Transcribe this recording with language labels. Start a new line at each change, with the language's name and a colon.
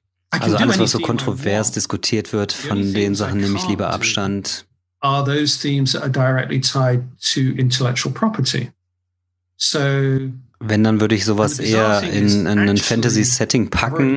German: Also alles, was so kontrovers diskutiert wird, von den Sachen nehme ich lieber Abstand.
English: Are those themes that are directly tied to intellectual property? So.
German: Wenn, dann würde ich sowas eher in ein Fantasy-Setting packen.